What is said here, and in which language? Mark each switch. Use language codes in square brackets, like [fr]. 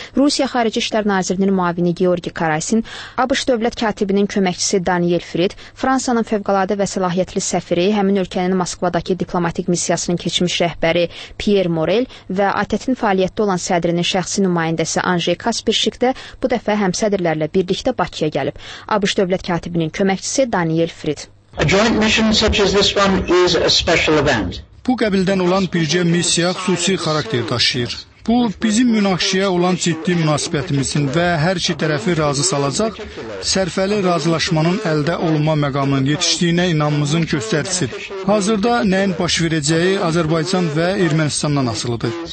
[az] Rusiya Xarici İşlər Nazirinin müavini Georgi Karasin, ABŞ dövlət katibinin köməkçisi Daniel Frid, Fransanın fövqəladə və səlahiyyətli səfiri, həmin ölkənin Moskvadakı diplomatik missiyasının keçmiş rəhbəri Pierre Morel və ATƏT-in fəaliyyət olan sədrinin şəxsi nümayəndəsi Anjey Kaspirşik də bu dəfə həmsədrlərlə birlikdə Bakıya gəlib. ABŞ dövlət katibinin köməkçisi Daniel Frid. [en] A joint mission such as this one is a special event. [az] Bu qəbildən olan bircə missiya xüsusi xarakter daşıyır. Bu, bizim münaqişəyə olan ciddi münasibətimizin və hər iki tərəfi razı salacaq, sərfəli razılaşmanın əldə olunma məqamının yetişdiyinə inamımızın göstəricisidir. Hazırda nəyin baş verəcəyi Azərbaycan və Ermənistandan asılıdır.